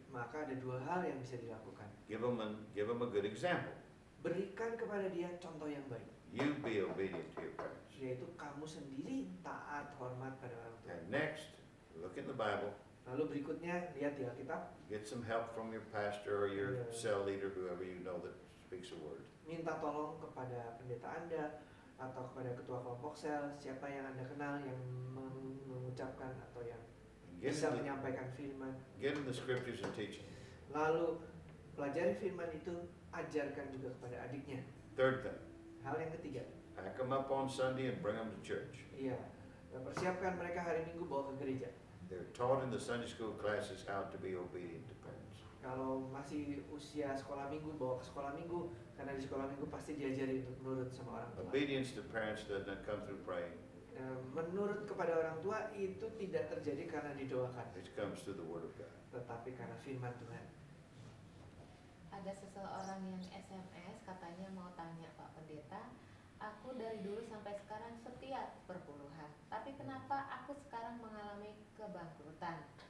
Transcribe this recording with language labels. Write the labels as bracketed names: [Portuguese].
[Indonesian] Maka ada dua hal yang bisa dilakukan. [English] Give them a good example. [Indonesian] Berikan kepada dia contoh yang baik. [English] You be obedient to your parents. [Indonesian] Yaitu kamu sendiri taat hormat pada orang tua. [English] And next, look in the Bible. [Indonesian] Lalu berikutnya lihat di Alkitab. [English] Get some help from your pastor or your cell leader, whoever you know that speaks a word. [Indonesian] Minta tolong kepada pendeta Anda atau kepada ketua kelompok sel, siapa yang Anda kenal yang mengucapkan atau yang bisa menyampaikan firman. [English] Get in the scriptures and teach. [Indonesian] Lalu pelajari firman itu, ajarkan juga kepada adiknya. [English] Third thing. [Indonesian] Hal yang ketiga. [English] Pack them up on Sunday and bring them to church. [Indonesian] Iya. Persiapkan mereka hari Minggu bawa ke gereja. [English] They're taught in the Sunday school classes how to be obedient to parents. [Indonesian] Kalau masih usia sekolah Minggu, bawa ke sekolah Minggu, karena di sekolah Minggu pasti diajari untuk menurut sama orang tua. [English] Obedience to parents does not come through praying. [Indonesian] Menurut kepada orang tua itu tidak terjadi karena didoakan. [English] It comes through the word of God. [Indonesian] Tetapi karena firman Tuhan. Ada seseorang yang SMS katanya mau tanya Pak Pendeta, aku dari dulu sampai sekarang setia perpuluhan, tapi kenapa aku sekarang mengalami kebangkrutan?